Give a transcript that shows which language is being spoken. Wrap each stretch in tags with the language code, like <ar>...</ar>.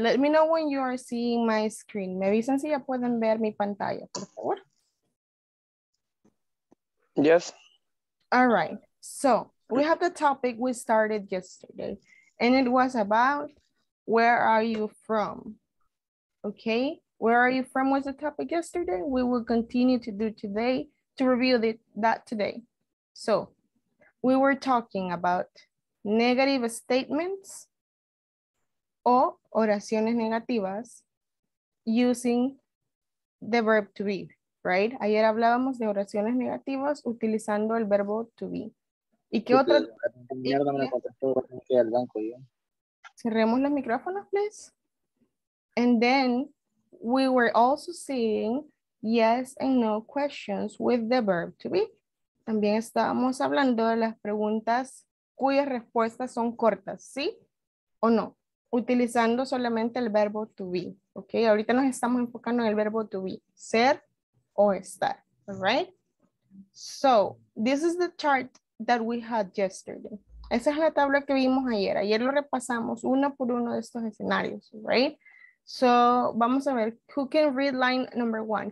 <en>Let me know when you are seeing my screen.</en> <es>Me avisan si ya pueden ver mi pantalla, por favor.</es> <en>Yes. All right. So we have the topic we started yesterday, and it was about where are you from? Okay. Where are you from was the topic yesterday. We will continue to do today to review that today. So we were talking about negative statements</en> <es>o oraciones negativas</es> <en>using the verb to be, right?</en> <es>Ayer hablábamos de oraciones negativas utilizando el verbo to be. ¿Y qué otra? Mierda, me contestó el banco, ¿y? Cerremos los micrófonos,</es> <en>please. And then we were also seeing yes and no questions with the verb to be.</en> <es>También estábamos hablando de las preguntas cuyas respuestas son cortas, ¿sí o no? Utilizando solamente el verbo to be, ¿ok? Ahorita nos estamos enfocando en el verbo to be, ser o estar, ¿alright?</es> <en>So, this is the chart that we had yesterday.</en> <es>Esa es la tabla que vimos ayer. Ayer lo repasamos uno por uno de estos escenarios, ¿right?</es> <en>So,</en> <es>vamos a ver,</es> <en>who can read line number one?</en>